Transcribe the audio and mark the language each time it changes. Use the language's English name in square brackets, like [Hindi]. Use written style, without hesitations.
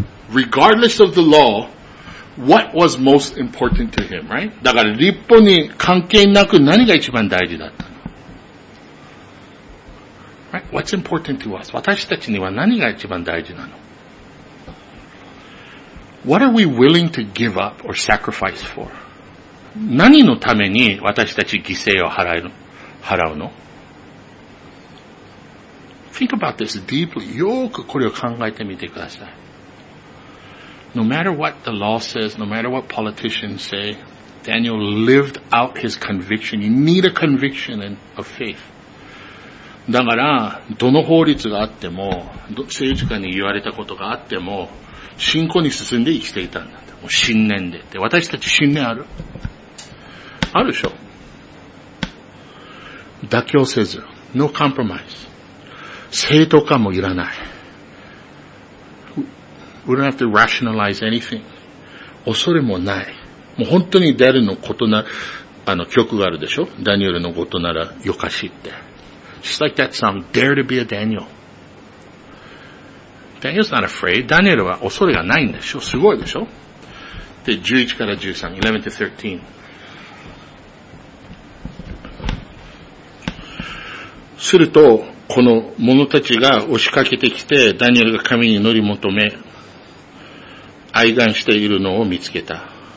[English] Regardless of the law, what was most important to him, right? [Japanese] だから立法に関係なく何が一番大事だったの? [English] Right? What's important to us? [Japanese] 私たちには何が一番大事なの? [English] What are we willing to give up or sacrifice for? [Japanese] 何のために私たち犠牲を払うの? [English] Think about this deeply. [Japanese] よくこれを考えてみてください。 [English] No matter what the law says, no matter what politicians say, Daniel lived out his conviction. You need a conviction and a faith. [Japanese] だから、どの法律があっても、政治家に言われたことがあっても、信仰に進んで生きていたんだ。もう信念で。で、私たち信念ある?あるでしょ。妥協せず。 [English] No compromise. [Japanese] 正当化もいらない。 [English] We don't have to rationalize anything. [Japanese] 恐れもない。もう本当に誰のことな、あの曲があるでしょ。ダニエルのことならよかしって。 [English] Just like that song, Dare to be a Daniel. Daniel's not afraid. [Japanese] ダニエルは恐れがないんでしょ。すごいでしょ。で、11から13、11 to 13。すると、この者たちが押しかけてきて、ダニエルが神に祈り求め、哀願しているのを見つけた。